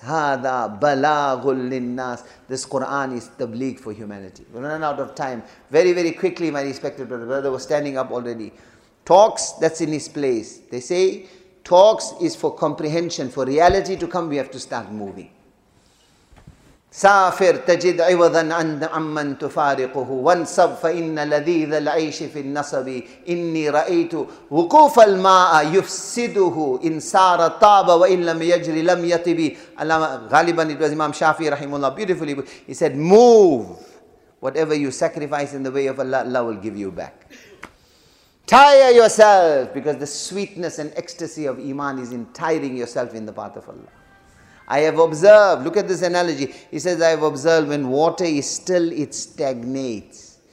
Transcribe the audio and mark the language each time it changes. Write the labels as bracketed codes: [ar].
[ar] Hada Balaghul Linnas. [en] This Quran is tabligh for humanity. We run out of time. Very, very quickly, my respected brother. Brother was standing up already. Talks, that's in his place. They say, talks is for comprehension. For reality to come, we have to start moving. [ar] سافر تجد عوضا عن من تفارقه وانصب فإن لذيذ العيش في النصب إني رأيت وقوف الماء يفسده إن سار طاب وإن لم يجري لم يطب. [en] غالبا it was Imam Shafi rahimullah, beautifully he said, move, whatever you sacrifice in the way of Allah, Allah will give you back. Tire yourself, because the sweetness and ecstasy of Iman is in tiring yourself in the path of Allah. I have observed, look at this analogy. He says, I have observed when water is still, it stagnates.